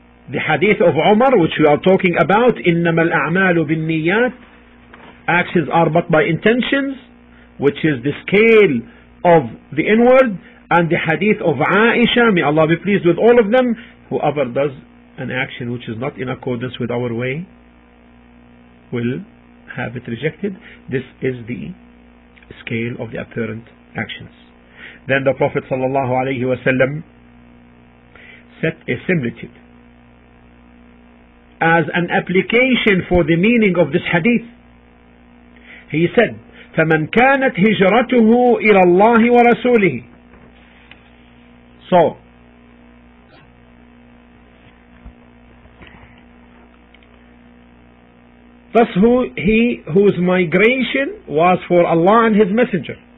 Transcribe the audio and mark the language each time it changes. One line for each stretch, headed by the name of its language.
English: The hadith of Umar, which we are talking about,
Arabic: إِنَّمَا الْأَعْمَالُ بِالنِّيَّاتِ,
English: actions are but by intentions, which is the scale of the inward, and the hadith of Aisha, may Allah be pleased with all of them, whoever does an action which is not in accordance with our way will have it rejected. This is the scale of the apparent actions. Then the Prophet sallallahu alayhi wa sallam set a similitude as an application for the meaning of this hadith. He said,
Arabic: فَمَنْ كَانَتْ هِجْرَتُهُ إِلَى اللَّهِ وَرَسُولِهِ.
English: So, thus whose migration was for Allah and His Messenger.